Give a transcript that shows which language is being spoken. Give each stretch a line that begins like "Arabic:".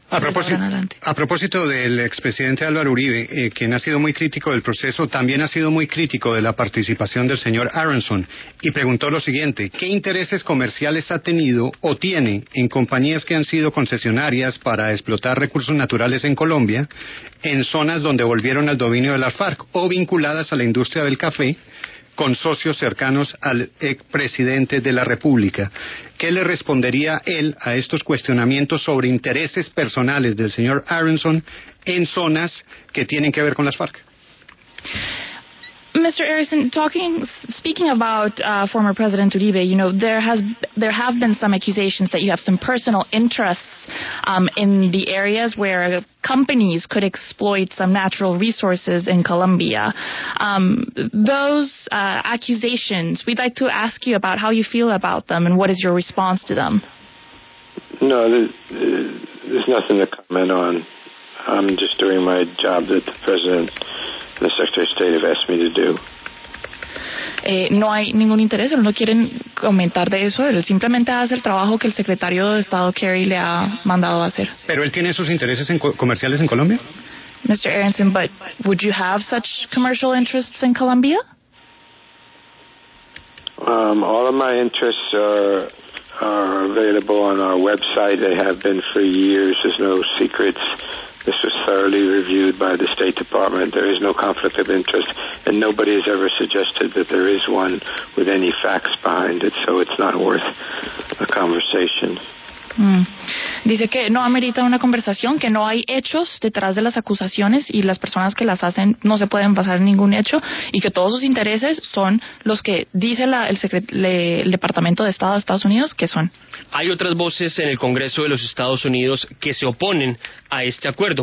Spanish: A propósito del expresidente Álvaro Uribe, quien ha sido muy crítico del proceso, también ha sido muy crítico de la participación del señor Aronson, y preguntó lo siguiente: ¿qué intereses comerciales ha tenido o tiene en compañías que han sido concesionarias para explotar recursos naturales en Colombia, en zonas donde volvieron al dominio de las FARC, o vinculadas a la industria del café, con socios cercanos al expresidente de la República? ¿Qué le respondería él a estos cuestionamientos sobre intereses personales del señor Aronson en zonas que tienen que ver con las FARC?
English: Mr. Aronson, speaking about former President Uribe, you know, there have been some accusations that you have some personal interests in the areas where companies could exploit some natural resources in Colombia. Those accusations, we'd like to ask you about how you feel about them and what is your response to them. No, there's nothing to comment on. I'm just doing my job that the president, the Secretary of State, have asked me to do.
Spanish: No hay ningún interés, no quieren comentar de eso. Él simplemente hace el trabajo que el secretario de Estado Kerry le ha mandado a hacer. ¿Pero él tiene sus intereses comerciales en Colombia?
English: Mr. Aronson, but would you have such commercial interests in Colombia? All of my interests are available on our website. They have been for years. There's no secrets. This was thoroughly reviewed by the State Department. There is no conflict of interest, and nobody has ever suggested that there is one with any facts behind it, so it's not worth a conversation.
Spanish: Dice que no amerita una conversación, que no hay hechos detrás de las acusaciones, y las personas que las hacen no se pueden basar en ningún hecho, y que todos sus intereses son los que dice el Departamento de Estado de Estados Unidos que son. Hay otras voces en el Congreso de los Estados Unidos que se oponen a este acuerdo.